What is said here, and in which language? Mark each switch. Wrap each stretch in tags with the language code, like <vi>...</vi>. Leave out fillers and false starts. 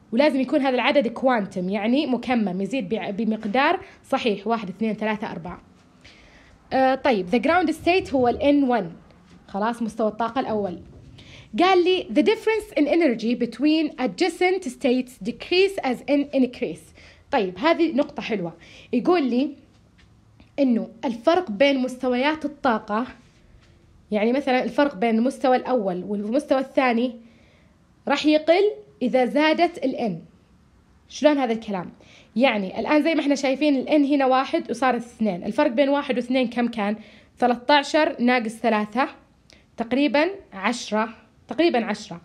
<ar>ولازم يكون هذا العدد كوانتم يعني مكمم يزيد بمقدار صحيح 1, 2, 3, 4. طيب the ground state هو ال N1، خلاص مستوى الطاقة الأول. قال لي</ar> <en>the difference in energy between adjacent states decrease as N increase.</en> <ar>طيب هذه نقطة حلوة، يقول لي إنه الفرق بين مستويات الطاقة، يعني مثلاً الفرق بين المستوى الأول والمستوى الثاني راح يقل إذا زادت الN. شلون هذا الكلام؟ يعني الآن زي ما احنا شايفين الN هنا واحد وصارت اثنين، الفرق بين واحد واثنين كم كان؟ 13 ناقص 3 تقريباً 10، تقريباً 10.</ar>